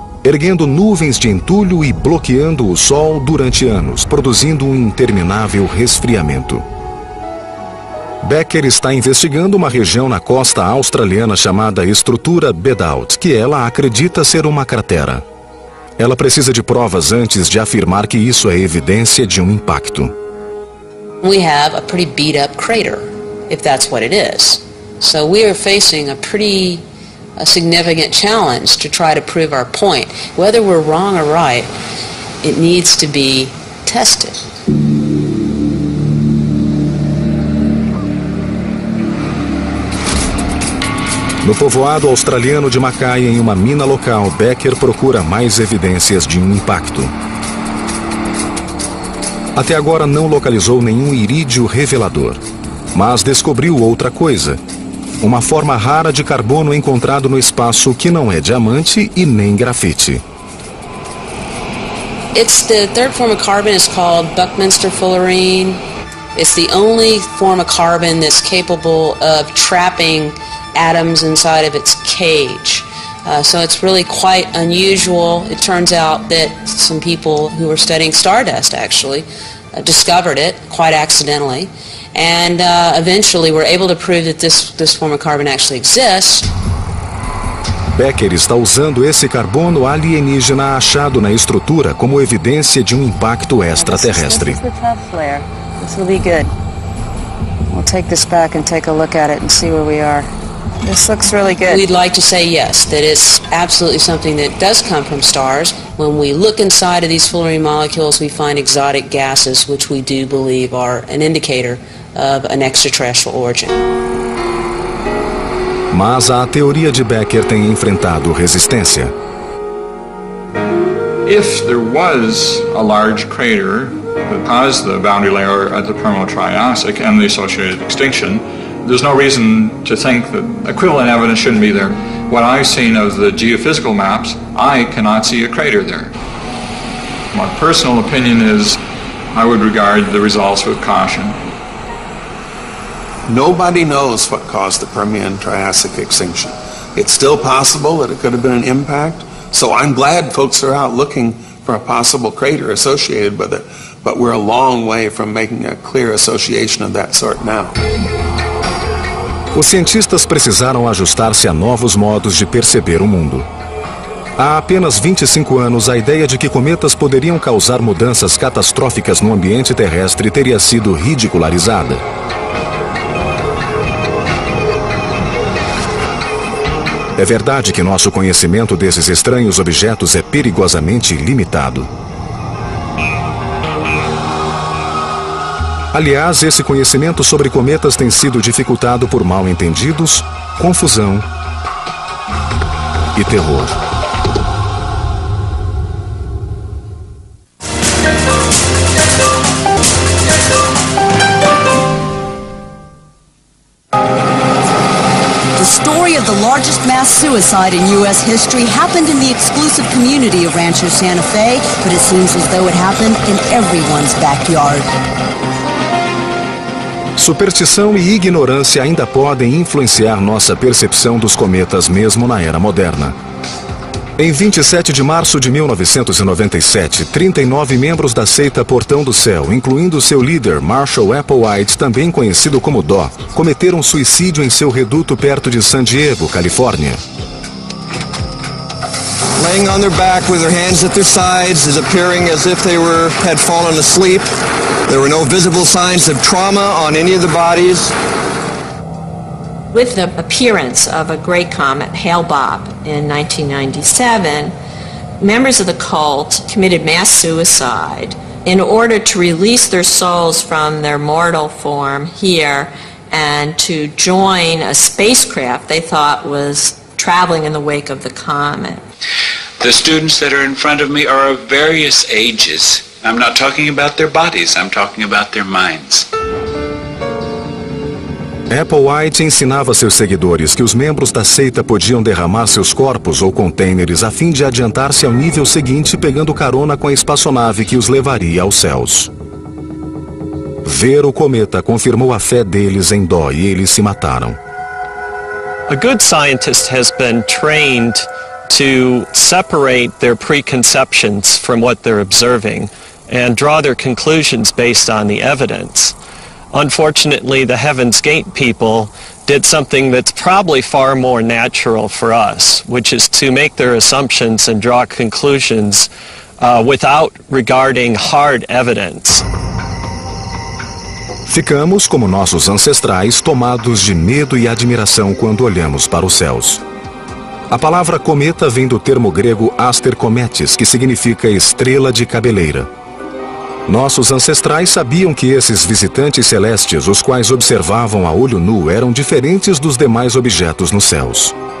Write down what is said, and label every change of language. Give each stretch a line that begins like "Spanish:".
Portuguese: erguendo nuvens de entulho e bloqueando o sol durante anos, produzindo um interminável resfriamento. Becker está investigando uma região na costa australiana chamada Estrutura Bedout, que ela acredita ser uma cratera. Ela precisa de provas antes de afirmar que isso é evidência de um impacto.
English: We have a pretty beat up crater, if that's what it is. So we are facing a significant challenge to try to prove our point. Whether we're wrong or right, it needs to be tested.
Portuguese: No povoado australiano de Mackay, em uma mina local, Becker procura mais evidências de um impacto. Até agora não localizou nenhum irídio revelador, mas descobriu outra coisa. Uma forma rara de carbono encontrado no espaço que não é diamante e nem grafite.
English: It's the third form of carbon, it's called Buckminster fullerene. It's the only form of carbon that's capable of trapping atoms inside of its cage. So it's really quite unusual. It turns out that some people who were studying stardust actually discovered it quite accidentally. And eventually we're able to prove that this form of carbon actually exists.
Portuguese: Becker está usando esse carbono alienígena achado na estrutura como evidência de um impacto extraterrestre.
English: This will be good. We'll take this back and take a look at it and see where we are. This looks really good. We'd like to say yes, that it's absolutely something that does come from stars. When we look inside of these fullerene molecules, we find exotic gases, which we do believe are an indicator of an extraterrestrial origin.
Portuguese: Mas a teoria de Becker tem enfrentado resistência.
English: If there was a large crater that caused the boundary layer at the Permo-Triassic and the associated extinction, there's no reason to think that equivalent evidence shouldn't be there. What I've seen of the geophysical maps, I cannot see a crater there. My personal opinion is I would regard the results with caution. Nobody knows what caused the Permian-Triassic extinction. It's still possible that it could have been an impact, so I'm glad folks are out looking for a possible crater associated with it, but we're a long way from making a clear association of that sort now.
Portuguese: Os cientistas precisaram ajustar-se a novos modos de perceber o mundo. Há apenas 25 anos, a ideia de que cometas poderiam causar mudanças catastróficas no ambiente terrestre teria sido ridicularizada. É verdade que nosso conhecimento desses estranhos objetos é perigosamente limitado. Aliás, esse conhecimento sobre cometas tem sido dificultado por mal entendidos, confusão e terror.
English: The story of the largest mass suicide in US history happened in the exclusive community of Rancho Santa Fe, but it seems as though it happened in everyone's backyard.
Portuguese: Superstição e ignorância ainda podem influenciar nossa percepção dos cometas mesmo na era moderna. Em 27 de março de 1997, 39 membros da seita Portão do Céu, incluindo seu líder Marshall Applewhite, também conhecido como Dó, cometeram suicídio em seu reduto perto de San Diego, Califórnia.
English: Laying on their back with their hands at their sides, is appearing as if they were had fallen asleep. There were no visible signs of trauma on any of the bodies. With the appearance of a great comet, Hale-Bopp, in 1997, members of the cult committed mass suicide in order to release their souls from their mortal form here and to join a spacecraft they thought was traveling in the wake of the comet. The students that are in front of me are of various ages. I'm not talking about their bodies, I'm talking about their minds.
Portuguese: Applewhite ensinava seus seguidores que os membros da seita podiam derramar seus corpos ou contêineres a fim de adiantar-se ao nível seguinte pegando carona com a espaçonave que os levaria aos céus. Ver o cometa confirmou a fé deles em Dó e eles se mataram.
English: A good scientist has been trained to separate their preconceptions from what they're observing and draw their conclusions based on the evidence. Unfortunately, the Heaven's Gate people did something that's probably far more natural for us, which is to make their assumptions and draw conclusions without regarding hard evidence.
Portuguese: Ficamos como nossos ancestrais, tomados de medo e admiração quando olhamos para os céus. A palavra cometa vem do termo grego aster cometes, que significa estrela de cabeleira. Nossos ancestrais sabiam que esses visitantes celestes, os quais observavam a olho nu, eram diferentes dos demais objetos nos céus.